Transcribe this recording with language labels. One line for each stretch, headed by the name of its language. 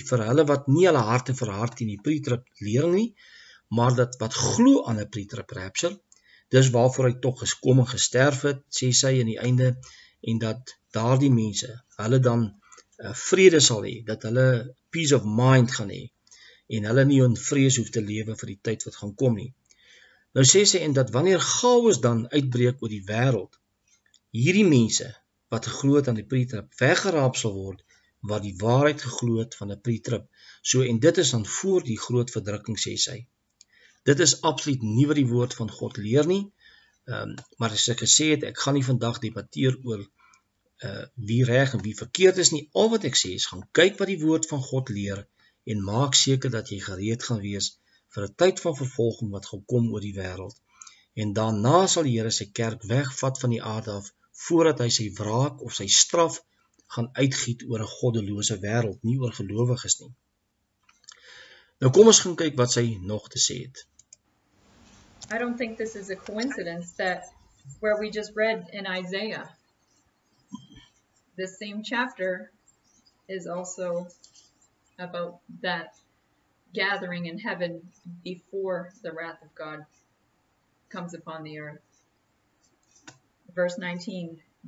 Afrikaans: Vir hulle wat nie hulle harte verhard teen die pre-trib leering nie, maar dat wat glo aan 'n pre-trib rapture, dis waarvoor hy tog gekom en gesterf het, sê sy in die einde, en dat daardie mense, hulle dan vrede sal hê, dat hulle
English: peace of mind
Afrikaans: gaan hê, en hulle nie in vrees hoef te lewe vir die tyd wat gaan kom nie. Nou sê sy en dat wanneer chaos dan uitbreek oor die wêreld, hierdie mense wat geglo het aan die pre-trib weggeraap sal word, wat die waarheid geglo het van 'n pre-trib. So en dit is dan voor die groot verdrukking, sê sy. Dit is absoluut nie wat die woord van God leer nie. Maar as ek gesê het, ek gaan nie vandag debatteer oor wie reg en wie verkeerd is nie. Al wat ek sê is gaan kyk wat die woord van God leer en maak seker dat jy gereed gaan wees vir 'n tyd van vervolging wat gaan kom oor die wêreld. En daarna sal die Here sy kerk wegvat van die aarde af voordat hy sy wraak of sy straf gaan uitgiet oor 'n goddelose wêreld, nie oor gelowiges nie. Nou kom ons gaan kyk wat sy nog te sê het.
English: I don't think this is a coincidence that where we just read in Isaiah, this same chapter is also about that gathering in heaven before the wrath of God comes upon the earth. Verse 19.